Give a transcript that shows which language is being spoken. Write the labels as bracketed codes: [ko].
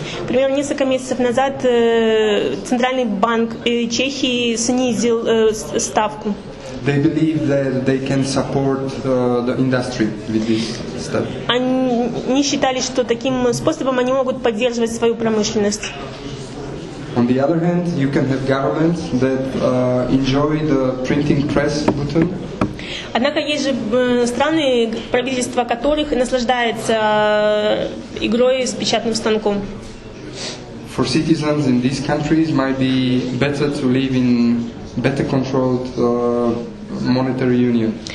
[ru] Примерно несколько месяцев назад центральный банк Чехии снизил ставку [en] they believe that they can support the industry with this stuff. [ru] Они считали, что таким способом они могут поддерживать свою промышленность. [en] On the other hand, you can have governments that enjoy the printing press button. [ru] Однако есть же страны, правительство которых наслаждается игрой с печатным станком. [en] For citizens in these countries might be better to live in better controlled monetary union.